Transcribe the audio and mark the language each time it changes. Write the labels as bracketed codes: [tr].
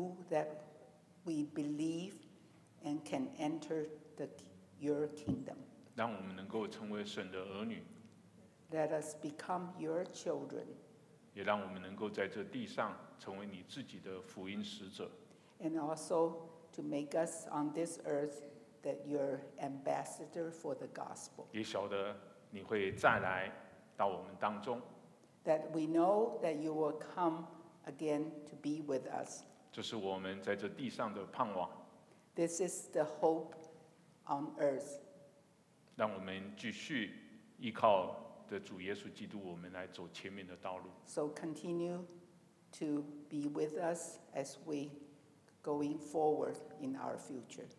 [en] That we believe and can enter your kingdom. [zh] 让我们能够成为神的儿女。 [en] Let us become your children. [zh] 也让我们能够在这地上成为你自己的福音使者。 [en] And also to make us on this earth that your ambassador for the gospel. [zh] 也晓得你会再来到我们当中。 [en] That we know that you will come again to be with us. [zh] 这是我们在这地上的盼望。 [en] This is the hope on earth. [zh] 让我们继续依靠的主耶稣基督，我们来走前面的道路。 [en] So continue to be with us as we going forward in our future.